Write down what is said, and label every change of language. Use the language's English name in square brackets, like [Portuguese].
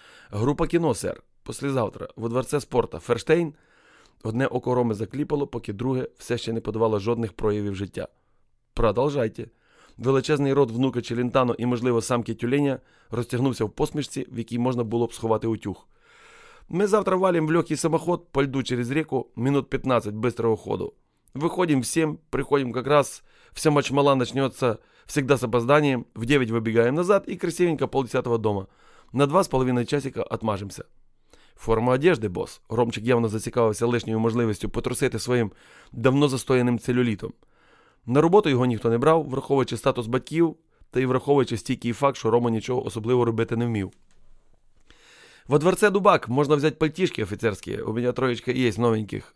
[Ukrainian] «Група кіно, [Russian] сер. Послізавтра. Во дворце спорта. Ферштейн». [Ukrainian] Одне око Роми закліпало, поки друге все ще не подавало жодних проявів життя. «Продовжайте». Величезний рот внука Челентано і, можливо, самки тюленя розтягнувся в посмішці, в якій можна було б сховати утюг. [Russian] «Ми завтра валим в легкий самоход по льду через реку, минут 15 быстрого ходу. Выходим в 7, приходим как раз, вся мачмала начнется всегда с опозданием, в 9 выбегаем назад и красивенько полдесятого дома. На 2,5 часика отмажемся». «Форма одежды, босс». [Ukrainian] Ромчик явно зацікавився лишньою можливістю потрусити своїм давно застояним целлюлітом. На роботу його ніхто не брав, враховуючи статус батьків та й враховуючи стійкий факт, що Рома нічого особливо робити не вмів. [Russian] «Во дворце [Ukrainian] Дубак, можна взяти пальтішки офіцерські, у мене троєчка є новеньких.